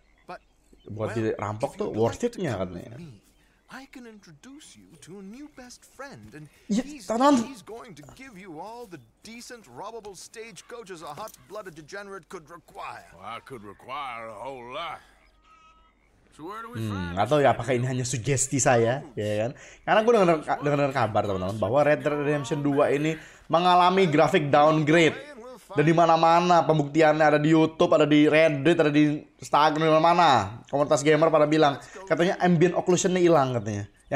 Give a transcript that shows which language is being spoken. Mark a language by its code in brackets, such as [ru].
[id] But buat dirampok tuh worth it-nya katanya. [en] I can introduce you to a new best friend and he's going to give you all the decent robbable stagecoaches a hot-blooded degenerate could require. Well, I could require a whole lot. So where do we find? [id] Enggak tahu ya apakah ini hanya sugesti saya, ya kan? Karena gue dengar kabar teman-teman bahwa Red Dead Redemption 2 ini mengalami graphic downgrade. Dan di mana-mana pembuktiannya ada di YouTube, ada di Reddit, ada di Instagram, di mana-mana. Komunitas gamer pada bilang, katanya ambient occlusion-nya hilang katanya.